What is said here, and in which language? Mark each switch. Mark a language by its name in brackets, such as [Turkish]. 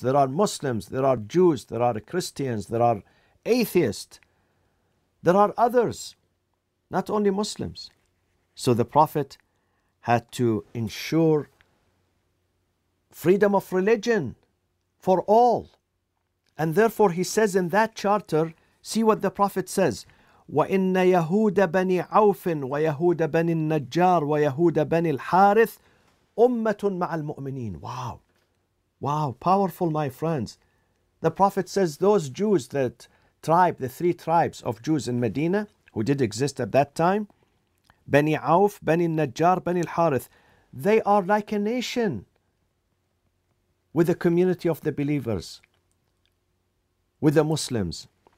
[English] There are Muslims, there are Jews, there are Christians, there are atheists, there are others, not only Muslims. So the Prophet had to ensure freedom of religion for all. And therefore he says in that charter, see what the Prophet says, [Arabic] وَإِنَّ يَهُودَ بَنِي عَوْفٍ وَيَهُودَ بَنِي النَّجَّارِ وَيَهُودَ بَنِي الْحَارِثِ أُمَّةٌ مَعَ الْمُؤْمِنِينَ. [English] Wow, wow, powerful, my friends. The Prophet says those Jews, that tribe, the three tribes of Jews in Medina, who did exist at that time, Bani Auf, Bani Najjar, Bani al-Harith, they are like a nation with the community of the believers, with the Muslims.